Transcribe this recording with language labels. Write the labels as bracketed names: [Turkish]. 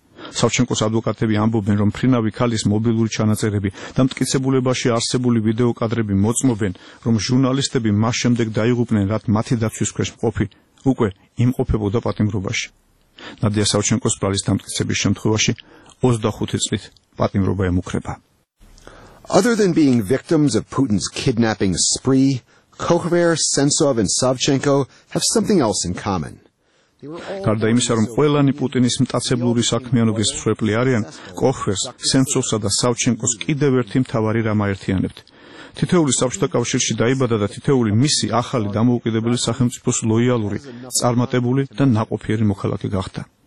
[Georgian] სავჩენკოს ადვოკატები ამბობენ, რომ ფრინავი ქალის მობილური ჩანაწერები და მტკიცებულებაში არსებული ვიდეო კადრები მოწმობენ, რომ ჟურნალისტები მას შემდეგ დაიღუპნენ, რაც მათი დაცვის ქვეშ მყოფი უკვე იმყოფებოდა პატიმრობაში. ნადია სავჩენკოს ბრალის დამტკიცების შემთხვევაში 25 წლით პატიმრობა ემუქრება. [English] Other than being victims of Putin's kidnapping spree, Kokhver, Sentsov and Savchenko have something else in common. [Georgian] გარდა იმისა, რომ ყველანი პუტინის მტაცებლური საქმიანობის მსხვერპლი არიან, კოხვერს, სენცოვსა და სავჩენკოს კიდევ ერთი მთავარი რამ აერთიანებთ. თითოეული საბჭოთა კავშირში დაიბადა და თითოეული მისი ახალი დამოუკიდებელი სახელმწიფოს ლოიალური, წარმატებული და ნაყოფიერი მოქალაქე გახდა.